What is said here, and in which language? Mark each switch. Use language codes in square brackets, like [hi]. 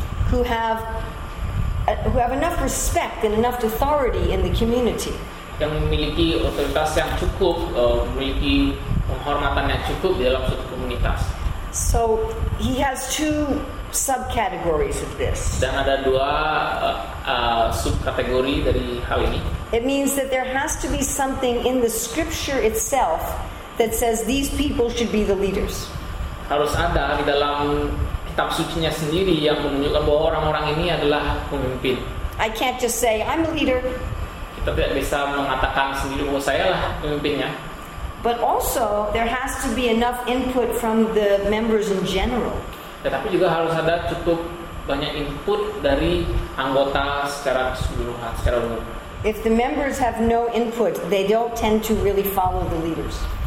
[en] Who have enough respect and enough authority in the community. [id] Yang memiliki otoritas yang cukup, memiliki penghormatan yang cukup di dalam suatu komunitas. [en] So he has two subcategories of this. [id] Dan ada dua subkategori dari hal ini. [en] It means that there has to be something in the scripture itself that says these people should be the leaders. [id] Harus ada di dalam kitab sucinya sendiri yang menunjukkan bahwa orang-orang ini adalah pemimpin. [en] I can't just say I'm a leader. [id] Kita tidak bisa mengatakan sendiri bahwa saya lah pemimpinnya. [en] But also there has to be enough input from the members in general. [id] Tetapi juga harus ada cukup banyak input dari anggota secara keseluruhan, secara umum. [en] If the members have no input, they don't tend to really follow the leaders.